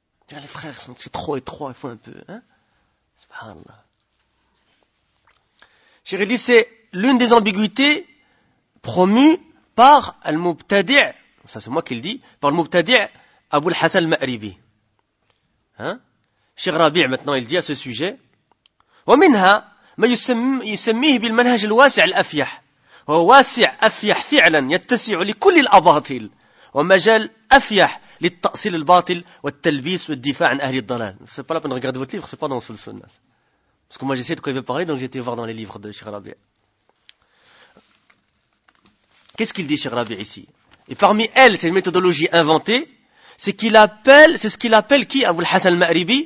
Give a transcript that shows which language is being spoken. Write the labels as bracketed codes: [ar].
[fr] Les frères, c'est trop étroit, il faut un peu. Subhanallah. Chéri dit, c'est l'une des ambiguïtés promues par Al-Mubtadi', ça c'est moi qui le dis, par Al-Mubtadi' Abu al-Hassan al-Ma'ribi. Cheikh Rabi' maintenant, il dit à ce sujet, [ar] وَمِنْهَا ما يسميه بالمنهج الواسع الأفيح هو واسع أفيح فعلا يتسع لكل الأباطل ومجال أفيح للتأصيل الباطل والتلبيس والدفاع عن أهل الضلال. [fr] C'est pas la peine de regarder votre livre, c'est pas dans le sunna. Parce que moi j'essaie de quoi il veut parler, donc j'ai été voir dans les livres de Cheikh Rabi'. Qu'est-ce qu'il dit Cheikh Rabi' ici? Et parmi elles, c'est une méthodologie inventée, c'est ce qu'il appelle qui Abu al-Hassan al-Ma'ribi.